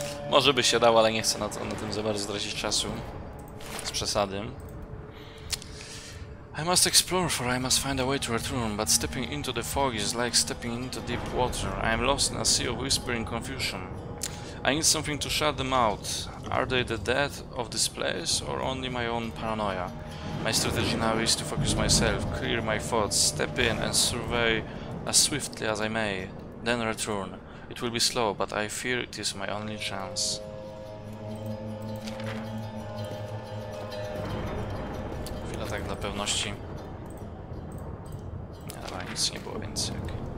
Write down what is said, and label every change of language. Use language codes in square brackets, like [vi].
[pl] Może by się dał, ale nie chcę na tym za bardzo zdradzić czasu. Z przesady. [en] I must explore, for I must find a way to return, but stepping into the fog is like stepping into deep water. I am lost in a sea of whispering confusion. I need something to shut them out. Are they the dead of this place, or only my own paranoia? My strategy now is to focus myself, clear my thoughts, step in and survey as swiftly as I may. Then return. It will be slow, but I fear it is my only chance. [pl] Chwila tak dla pewności. Dobra, nic nie było, więc jak...